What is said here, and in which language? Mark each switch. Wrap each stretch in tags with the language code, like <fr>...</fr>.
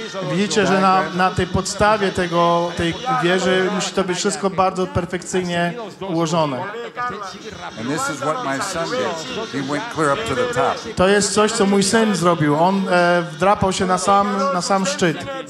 <pl>Widzicie, że na tej podstawie tej wieży musi to być wszystko bardzo perfekcyjnie ułożone.</pl> <en>And this is what my son did. He went clear up to the top.</en> <pl>To jest coś, co mój syn zrobił. On wdrapał się na sam szczyt.</pl>